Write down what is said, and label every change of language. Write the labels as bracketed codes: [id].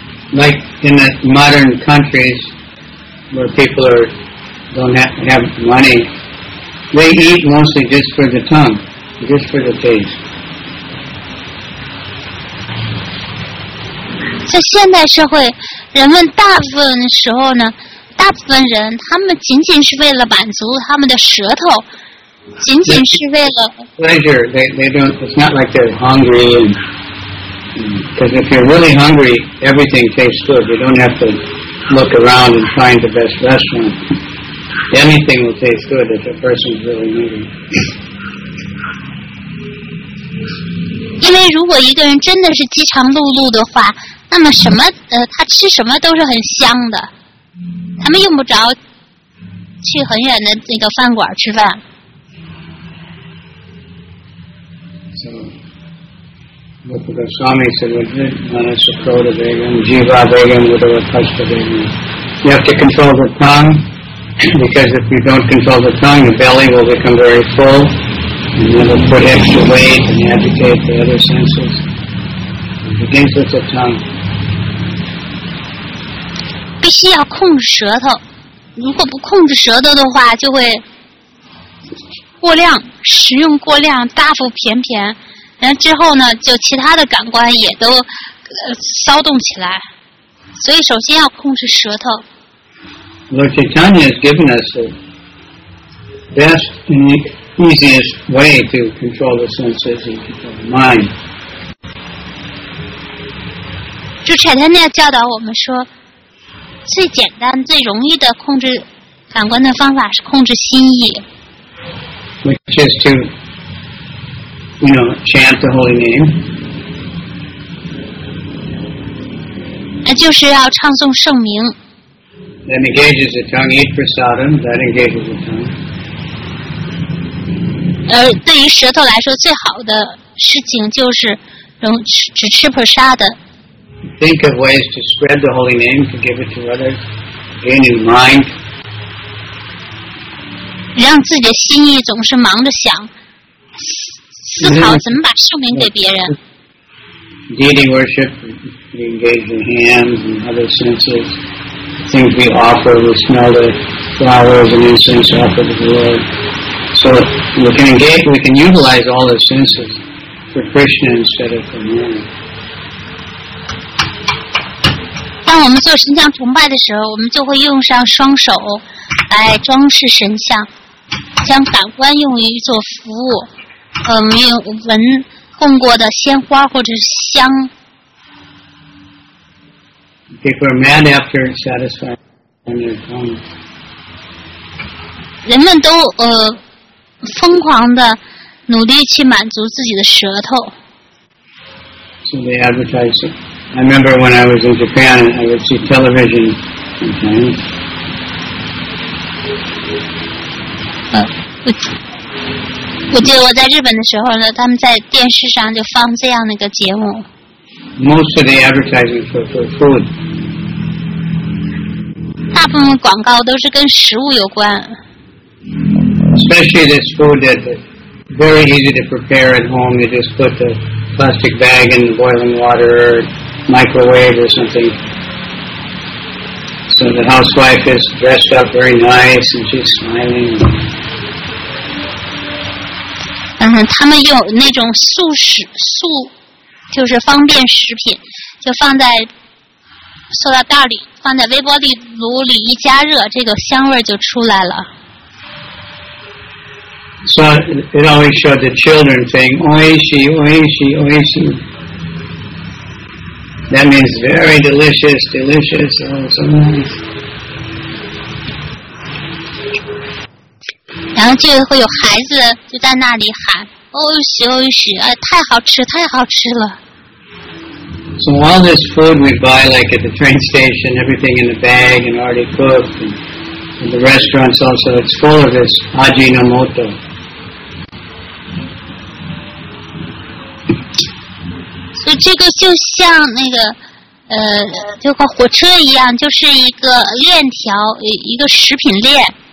[en] Like in the modern countries where people are, don't have money, they eat mostly just for the tongue, just for the taste. [zh] 在现代社会，人们大部分时候呢，大部分人他们仅仅是为了满足他们的舌头，仅仅是为了 [en] pleasure. They don't. It's not like they're hungry. Because if you're really hungry, everything tastes good. You don't have to look around and find the best restaurant. Anything will taste good if a person's really hungry. [zh] 因为如果一个人真的是饥肠辘辘的话。那么什么他吃什么都是很香的，他们用不着去很远的那个饭馆吃饭。 [en] So, Rupa Goswami said, "Manas Krodha Vegan, Jiva Vegan, Udava Kasta Vegan." You have to control the tongue, because if you don't control the tongue, your belly will become very full, and it'll put extra weight and agitate the other senses. It begins with the tongue. [zh] 必须要控制舌头，如果不控制舌头的话，就会过量食用，过量大腹便便，然后之后呢，就其他的感官也都骚动起来。所以首先要控制舌头。 [en] Lord Chaitanya has given us the best and easiest way to control the senses and control the mind. [zh] 就柴田那教导我们说。最简单、最容易的控制感官的方法是控制心意。 [en] Which is to, you know, chant the holy name. [zh] 那就是要唱诵圣名。 [en] That engages the tongue, eat prasadam, that engages the tongue. [zh] 对于舌头来说，最好的事情就是只吃 prasadam。 [en] Think of ways to spread the holy name, to give it to others, gain in mind. [zh] 让自己的心意总是忙着想，思考怎么把圣名给别人。 [en] Deity worship, we engage the hands and other senses. Things we offer, we smell the flowers and incense offered to the Lord. So we can engage, we can utilize all the senses for Krishna instead of for man. [zh] 当我们做神像崇拜的时候，我们就会用上双手来装饰神像，将感官用于做服务。我们用闻供过的鲜花或者是香。 [en] People are mad after satisfying their tongue. [zh] 人们都疯狂的努力去满足自己的舌头。 [en] So they advertise it. I remember when I was in Japan, I would see television sometimes. [zh] 我记得我在日本的时候呢，他们在电视上就放这样的一个节目。 [en] Most of the advertising for food. [zh] 大部分广告都是跟食物有关。 [en] Especially this food that's very easy to prepare at home. You just put the plastic bag in the boiling water. Microwave or something. So the housewife is dressed up very nice and she's smiling. [zh] 他们用那种速食就是方便食品，就放在塑料袋里，放在微波炉里一加热，这个香味就出来了。 [en] So it always showed the children saying, [ja] "Oishi, oishi, oishi." [en] That means very delicious, delicious, oh, so nice. [zh] 然后就会有孩子就在那里喊，哦许哦许，哎，太好吃，太好吃了。 [en] So all this food we buy, like at the train station, everything in the bag and already cooked, and the restaurants also, it's full of this Ajinomoto. [zh] 所以这个就像那个就和火车一样，就是一个链条，一个食品链。